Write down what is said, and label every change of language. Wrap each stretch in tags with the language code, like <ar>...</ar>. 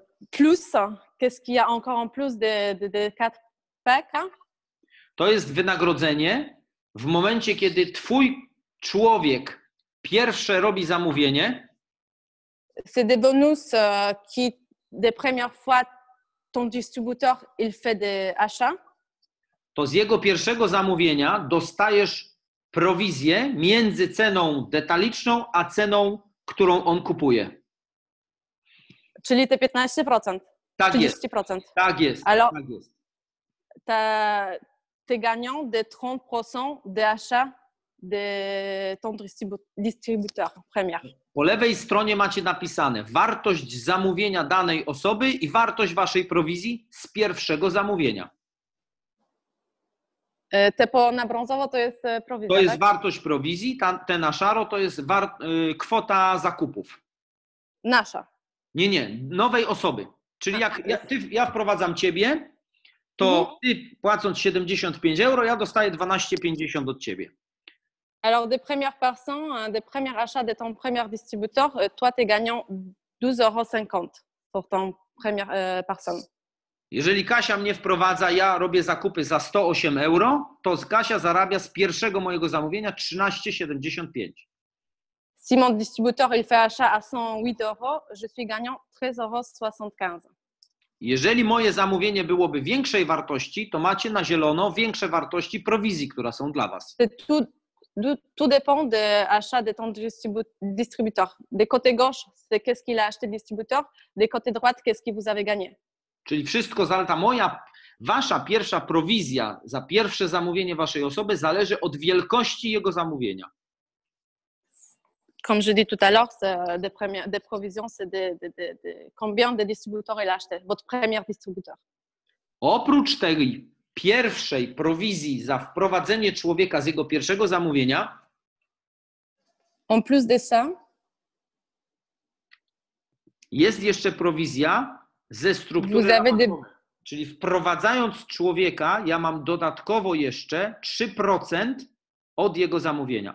<fr>Plus, qu'est-ce qu'il y a encore en plus de 4 packs?</fr> <pl>To jest wynagrodzenie w momencie, kiedy twój człowiek pierwsze robi zamówienie.</pl> <fr>C'est des bonus qui des premières fois ton distributeur il fait des achats.</fr> <pl>To z jego pierwszego zamówienia dostajesz prowizję między ceną detaliczną a ceną, którą on kupuje. Czyli te 15%. Tak 30%. Jest. Tak jest.</pl> <fr>Alors,</fr> <pl>tak jest.</pl> <fr>Ty gagnant de 30% d'achat de ton distributeur premier.</fr> <pl>Po lewej stronie macie napisane wartość zamówienia danej osoby i wartość waszej prowizji z pierwszego zamówienia. Te na brązowo to jest prowizja. To jest wartość prowizji, te na szaro to jest kwota zakupów. Nasza. Nie, nowej osoby. Czyli jak ja wprowadzam ciebie, to ty płacąc 75 euro, ja dostaję 12,50 od ciebie.</pl> <fr>Alors des premières personnes, des premiers achats de ton premier distributeur, toi tu es gagnant 12,50 euros pour ton première personne.</fr> <pl>Jeżeli Kasia mnie wprowadza, ja robię zakupy za 108 euro, to Kasia zarabia z pierwszego mojego zamówienia 13,75.</pl> <fr>Si mon distributeur il fait achat à 108 euros, je suis gagnant 13,75 euros.</fr> <pl>Jeżeli moje zamówienie byłoby większej wartości, to macie na zielono większe wartości prowizji, które są dla was.</pl> <fr>Tout dépend de achat de ton distributeur. De côté gauche, c'est qu'est-ce qu'il a acheté distributeur. De côté droite, qu'est-ce que vous avez gagné.</fr> <pl>Czyli wszystko, wasza pierwsza prowizja za pierwsze zamówienie waszej osoby zależy od wielkości jego zamówienia.</pl> <fr>Comme je dis tout à l'heure, c'est des provisions, c'est de combien de distributeurs il a acheté, votre premier distributeur.</fr> <pl>Oprócz tego pierwszej prowizji za wprowadzenie człowieka z jego pierwszego zamówienia.</pl> <fr>En plus de ça.</fr> <pl>Jest jeszcze prowizja ze struktury rabatowej. Czyli wprowadzając człowieka, ja mam dodatkowo jeszcze 3% od jego zamówienia.</pl>